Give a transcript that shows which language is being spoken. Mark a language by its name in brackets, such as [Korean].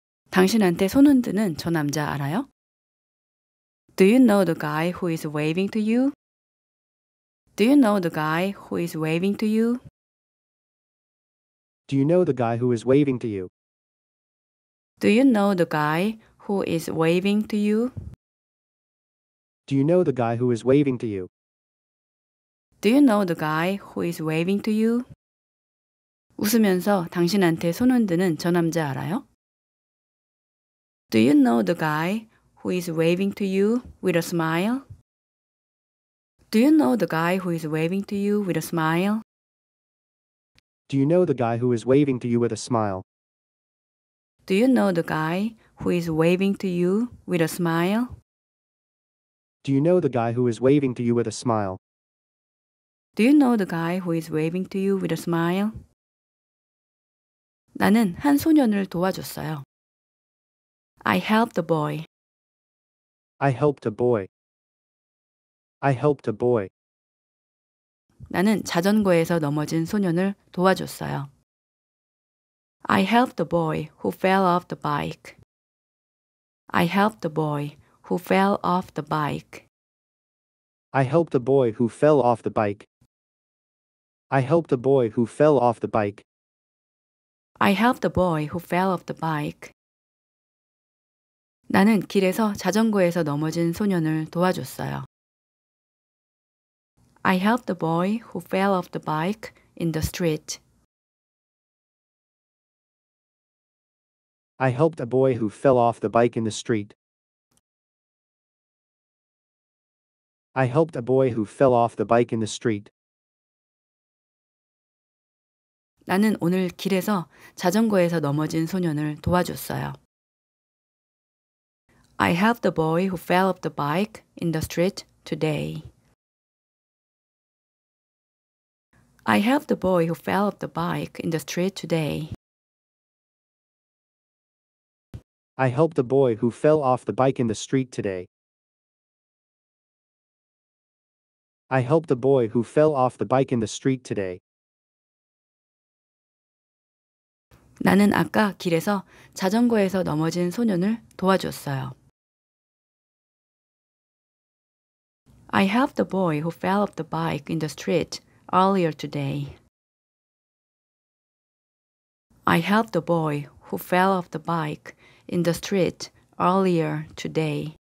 [Korean] 당신한테 손 흔드는 저 남자 알아요? [English] Do you know the guy who is waving to you? Do you know the guy who is waving to you? Do you know the guy who is waving to you? Do you know the guy who is waving to you? Do you know the guy who is waving to you? Do you know the guy who is waving to you? [Korean] 웃으면서 당신한테 손 흔드는 저 남자 알아요? [English] Do you know the guy who is waving to you with a smile? Do you know the guy who is waving to you with a smile? Do you know the guy who is waving to you with a smile? Do you know the guy who is waving to you with a smile? Do you know the guy who is waving to you with a smile? Do you know the guy who is waving to you with a smile? [Korean] 나는 한 소년을 도와줬어요. [English] I helped a boy. I helped a boy. I helped a boy. [Korean] 나는 자전거에서 넘어진 소년을 도와줬어요. [English] I helped a boy who fell off the bike. I helped a boy who fell off the bike. I helped a boy who fell off the bike. I helped a boy who fell off the bike. I helped a boy who fell off the bike. [Korean] 나는 길에서 자전거에서 넘어진 소년을 도와줬어요. [English] I helped the boy who fell off the bike in the street. I helped a boy who fell off the bike in the street. I helped a boy who fell off the bike in the street. [Korean] 나는 오늘 길에서 자전거에서 넘어진 소년을 도와줬어요. [English] I helped the boy who fell off the bike in the street today. I helped the boy who fell off the bike in the street today. I helped the boy who fell off the bike in the street today. I helped the boy who fell off the bike in the street today. [Korean] 나는 아까 길에서 자전거에서 넘어진 소년을 도와줬어요. [English] I helped the boy who fell off the bike in the street earlier today. I helped a boy who fell off the bike in the street earlier today.